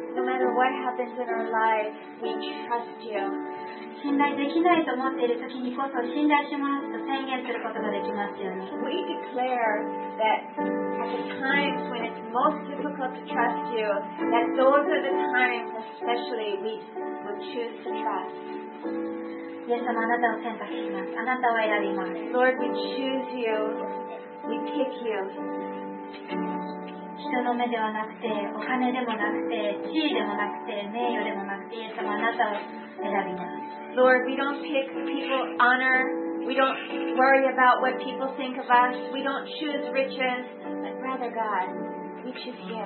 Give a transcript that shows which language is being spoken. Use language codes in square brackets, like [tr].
[en] No matter what happens in our lives, we trust you. [ja] 信頼できないと思っている時にこそ信頼しますと宣言することができますよね [en] We declare that at the times when it's most difficult to trust you, that those are the times especially we will choose to trust. [ja] イエス様あなたを選択しますあなたを選びます [en] Lord we choose you we pick you [ja] 人の目ではなくてお金でもなくて地位でもなくて名誉でもなくてイエス様あなたを選びます [en] Lord we don't pick people honor we don't worry about what people think of us we don't choose riches but rather God we choose you